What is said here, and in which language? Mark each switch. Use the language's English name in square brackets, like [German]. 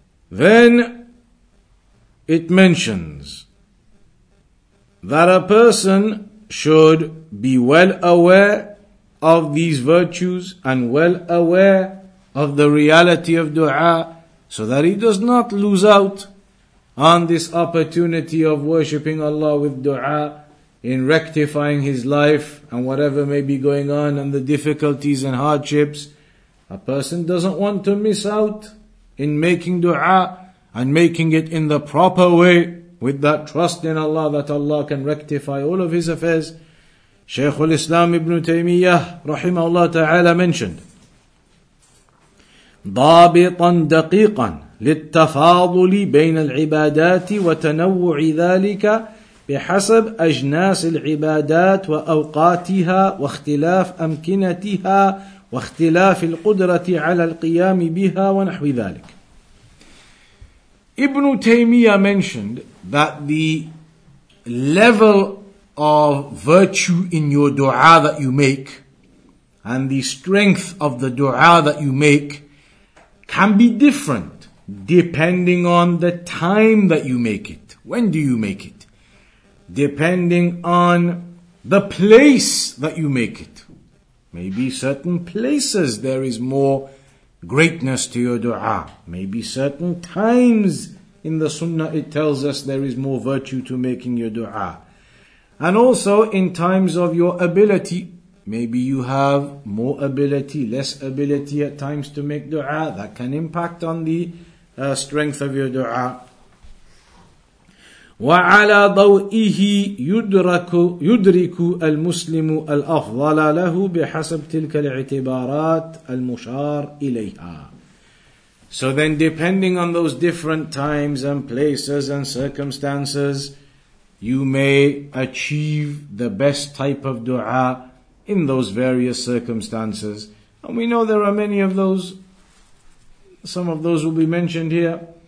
[English] Then it mentions that a person should be well aware of these virtues and well aware of the reality of dua, so that he does not lose out on this opportunity of worshipping Allah with dua, in rectifying his life and whatever may be going on, and the difficulties and hardships. A person doesn't want to miss out in making dua and making it in the proper way, with that trust in Allah that Allah can rectify all of his affairs. Shaykh al-Islam Ibn Taymiyyah rahimahullah ta'ala mentioned, [Arabic] ضابطاً دقيقاً للتفاضل بين العبادات وتنوع ذلك بحسب أجناس العبادات وأوقاتها واختلاف أمكنتها واختلاف القدرة على القيام بها ونحو ذلك. [English] Ibn Taymiyyah mentioned that the level of virtue in your dua that you make and the strength of the dua that you make can be different depending on the time that you make it. When do you make it? Depending on the place that you make it. Maybe certain places there is more greatness to your dua. Maybe certain times in the sunnah it tells us there is more virtue to making your dua. And also in times of your ability. Maybe you have more ability, less ability at times to make dua. That can impact on the strength of your dua. [Arabic] وعلى ضوئه يدرك المسلم الأفضل له بحسب تلك الاعتبارات المشار إليها. [English] So then, depending on those different times and places and circumstances, you may achieve the best type of dua in those various circumstances. And we know there are many of those. Some of those will be mentioned here.